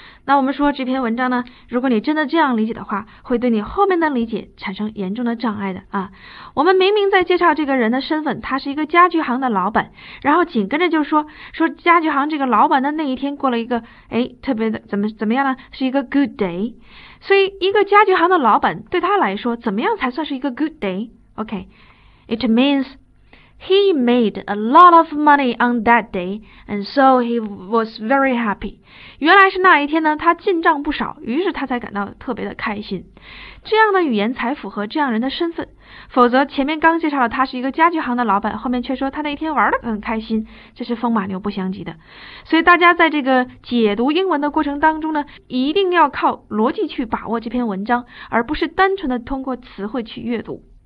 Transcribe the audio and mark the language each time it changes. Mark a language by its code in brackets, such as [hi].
[zh] 那我们说这篇文章呢，如果你真的这样理解的话，会对你后面的理解产生严重的障碍的啊。我们明明在介绍这个人的身份，他是一个家具行的老板，然后紧跟着就说家具行这个老板的那一天过了一个特别的怎么样呢，是一个 [en] good day。 [zh] 所以一个家具行的老板对他来说怎么样才算是一个 [en] good day? Okay, it means he made a lot of money on that day and so he was very happy. [zh] 原来是那一天呢他进账不少，于是他才感到特别的开心。这样的语言才符合这样人的身份，否则前面刚介绍了他是一个家具行的老板，后面却说他那一天玩得很开心，这是风马牛不相及的。所以大家在这个解读英文的过程当中呢，一定要靠逻辑去把握这篇文章，而不是单纯的通过词汇去阅读。